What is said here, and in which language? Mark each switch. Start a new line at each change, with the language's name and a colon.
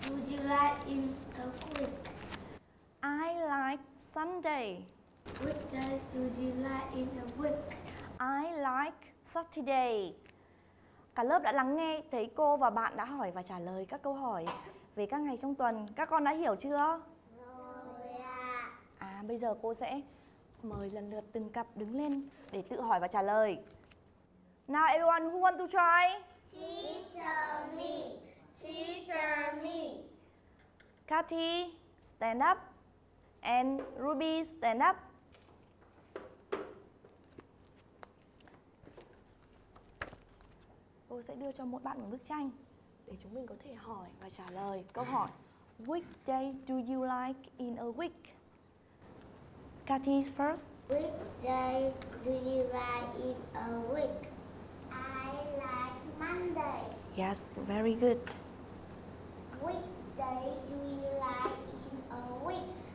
English: Which day do you like in a week? I like Sunday. Which day do you like in a week? I like Saturday.
Vietnamese: Cả lớp đã lắng nghe, thấy cô và bạn đã hỏi và trả lời các câu hỏi về các ngày trong tuần. Các con đã hiểu chưa? Rồi ạ. À, bây giờ cô sẽ mời lần lượt từng cặp đứng lên để tự hỏi và trả lời.
English: Now everyone, who want to try? Teacher me. Teacher me. Kathy, stand up. And Ruby, stand up.
Vietnamese: Cô sẽ đưa cho mỗi bạn một bức tranh để chúng mình có thể hỏi và trả lời câu hỏi.
English: Which day do you like in a week? Kathy first. Which day do you like in a week? I like Monday. Yes, very good. Which day do you like in a week?